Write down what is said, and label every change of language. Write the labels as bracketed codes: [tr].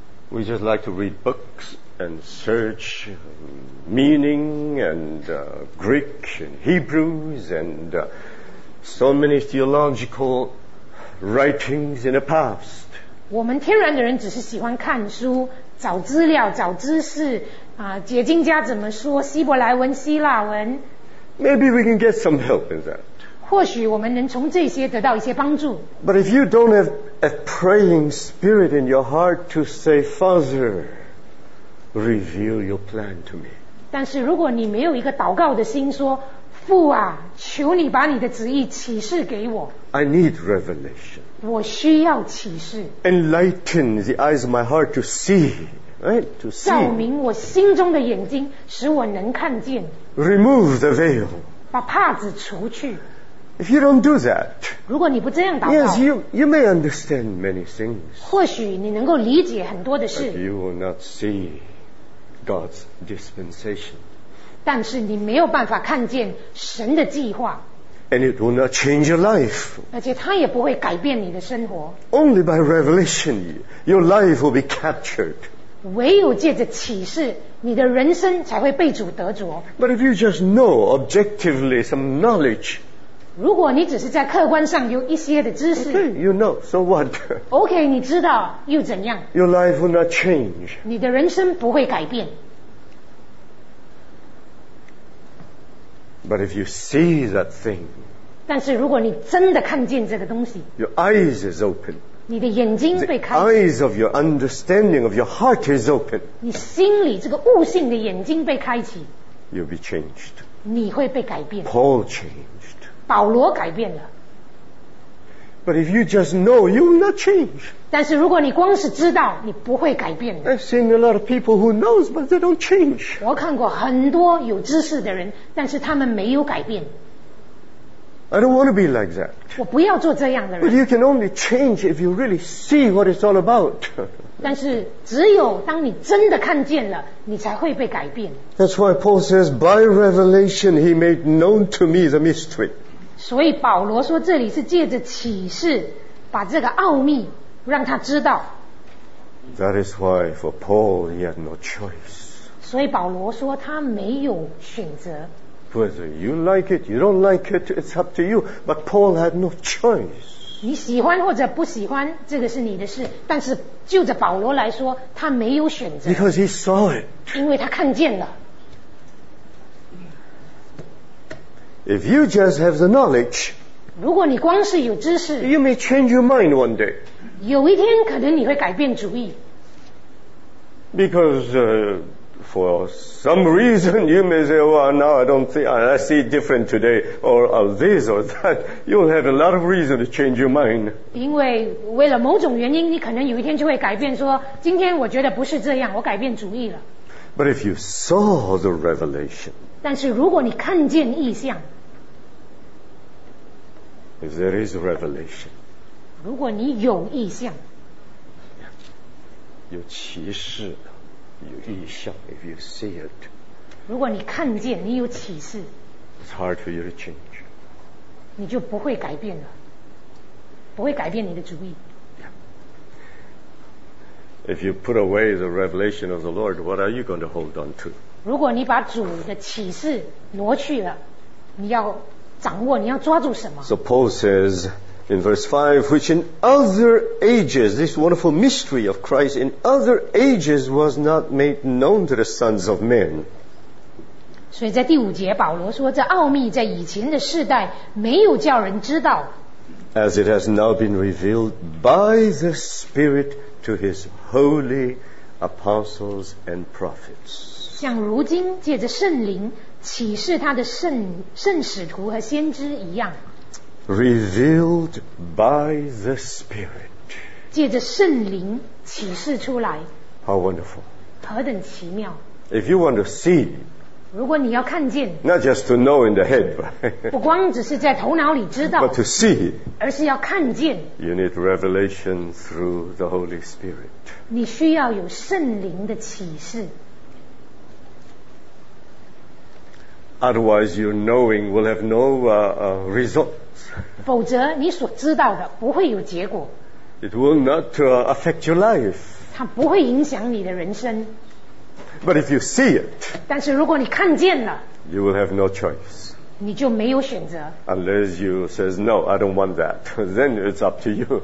[en] We just like to read books and search meaning and Greek and Hebrews and so many theological writings in the past. [zh] 我们天然的人只是喜欢看书、找资料、找知识啊，解经家怎么说？希伯来文、希腊文。 [en] Maybe we can get some help in that. [zh] 或许我们能从这些得到一些帮助。 [en] But if you don't have a praying spirit in your heart to say, Father, reveal your plan to me. [zh] 但是如果你没有一个祷告的心说，父啊，求你把你的旨意启示给我。 [en] I need revelation. [zh] 我需要启示。 [en] Enlighten the eyes of my heart to see. Right? To see. [zh] 照明我心中的眼睛，使我能看见。 [en] Remove the veil. [zh] 把帕子除去。 [en] If you don't do that, [zh] 如果你不这样祷告， [en] yes, you may understand many things. [zh] 或许你能够理解很多的事。 [en] But you will not see God's dispensation. [zh] 但是你没有办法看见神的计划。 [en] And it will not change your life. [zh] 而且它也不会改变你的生活。 [en] Only by revelation, your life will be captured. [zh] 唯有借着启示，你的人生才会被主得着。 [en] But if you just know objectively some knowledge, [zh] 如果你只是在客观上有一些的知识， [en] okay, you know, so what? [zh] OK, 你知道又怎样？ [en] Your life will not change. [zh] 你的人生不会改变。 [en] But if you see that thing, [zh] 但是如果你真的看见这个东西， [en] your eyes is open, [zh] 你的眼睛被开， [en] the eyes of your understanding of your heart is open, [zh] 你心里这个悟性的眼睛被开启， [en] you'll be changed, [zh] 你会被改变。 [en] Paul changed, [zh] 保罗改变了。 [en] But if you just know, you will not change, [zh] 但是如果你光是知道，你不会改变的。 [en] I've seen a lot of people who knows, but they don't change. [zh] 我看过很多有知识的人，但是他们没有改变。 [en] I don't want to be like that. [zh] 我不要做这样的人。 [en] But you can only change if you really see what it's all about. [zh] 但是只有当你真的看见了，你才会被改变。 [en] That's why Paul says, by revelation he made known to me the mystery. [zh] 所以保罗说这里是借着启示，把这个奥秘让他知道。 [en] That is why for Paul he had no choice. [zh] 所以保罗说他没有选择。 [en] Whether you like it, you don't like it, it's up to you. But Paul had no choice. [zh] 你喜欢或者不喜欢，这个是你的事。但是就着保罗来说，他没有选择。 [en] Because he saw it. [zh] 因为他看见了。 [en] If you just have the knowledge, [zh] 如果你光是有知识， [en] you may change your mind one day. [zh] 有一天可能你会改变主意。 [en] Because for some reason you may say, well, now I don't see, I see different today, or this or that. You'll have a lot of reason to change your mind. [zh] 因为为了某种原因，你可能有一天就会改变，说今天我觉得不是这样，我改变主意了。 [en] But if you saw the revelation, [zh] 但是如果你看见异象， [en] if there is a revelation, [zh] 如果你有意向，有启示，有意向。 [en] If you see it, [zh] 如果你看见，你有启示。 [en] It's hard for you to change. [zh] 你就不会改变了，不会改变你的主意。 [en] If you put away the revelation of the Lord, what are you going to hold on to? [zh] 如果你把主的启示挪去了，你要掌握，你要抓住什么？ [en] So Paul says. In verse 5, which in other ages, this wonderful mystery of Christ, in other ages was not made known to the sons of men. [zh] 所以在第五节保罗说，这奥秘在以前的世代没有叫人知道。 [en] As it has now been revealed by the Spirit to his holy apostles and prophets. [zh] 像如今借着圣灵启示他的 圣使徒和先知一样。 [en] Revealed by the Spirit. [zh] 借着圣灵启示出来。 [en] How wonderful. [zh] 何等奇妙。 [en] If you want to see, [zh] 如果你要看见， [en] not just to know in the head, [zh] 不光只是在头脑里知道， [en] but to see, [zh] 而是要看见。 [en] You need revelation through the Holy Spirit. [zh] 你需要有圣灵的启示。 [en] Otherwise, your knowing will have no result. [zh] 否则你所知道的不会有结果。 [en] It will not affect your life. [zh] 它不会影响你的人生。 [en] But if you see it, [zh] 但是如果你看见了， [en] you will have no choice. [zh] 你就没有选择。 [en] Unless you says no, I don't want that, then it's up to you.